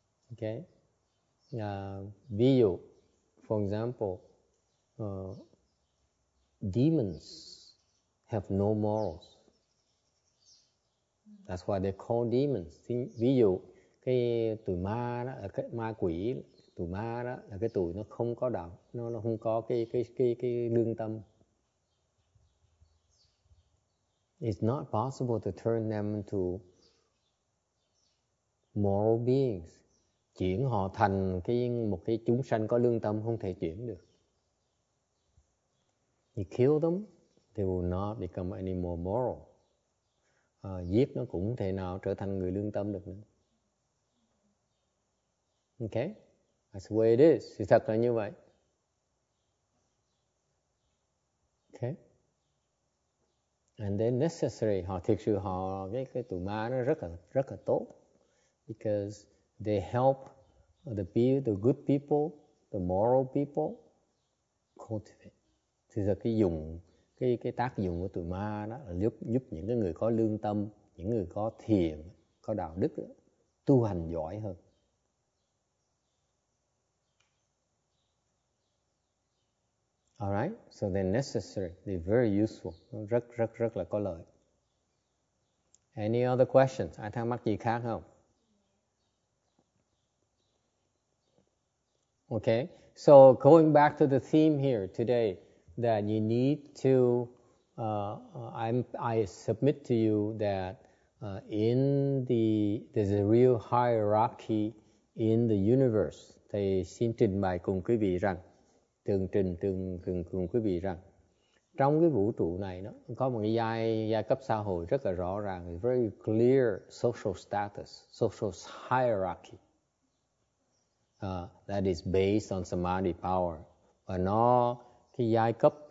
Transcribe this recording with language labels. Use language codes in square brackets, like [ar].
[en] Okay. [vi] Ví dụ, [en] for example, demons have no morals. That's why they call demons. [vi] Ví dụ, cái tụi ma đó, cái ma quỷ, tụi ma đó là cái tụi nó không có đạo, nó không có cái lương tâm. [en] It's not possible to turn them into moral beings. [vi] Chuyển họ thành một cái chúng sanh có lương tâm không thể chuyển được. [en] You kill them, they will not become any more moral. [vi] Giết nó cũng thể nào trở thành người lương tâm được nữa. [en] Okay? That's the way it is. [vi] Sự thật là như vậy. [en] Okay? And then necessary, [vi] họ thực sự họ cái tụi ma nó rất là tốt, [en] because they help the good people, the moral people cultivate. [vi] Thì là cái tác dụng của tụi ma đó là giúp những cái người có lương tâm, những người có thiện, có đạo đức đó, tu hành giỏi hơn. [en] All right, so they're necessary, they're very useful, [vi] rất rất rất là có lợi. [en] Any other questions? [vi] Ai thắc mắc gì khác không? [en] Okay, so going back to the theme here today, that you need to, I submit to you that there's a real hierarchy in the universe. [vi] Thầy xin trình bày cùng quý vị rằng, tường trình cùng quý vị rằng trong cái vũ trụ này nó có một cái giai cấp xã hội rất là rõ ràng, [en] very clear social status, social hierarchy that is based on samadhi power, [vi] và nó cái giai cấp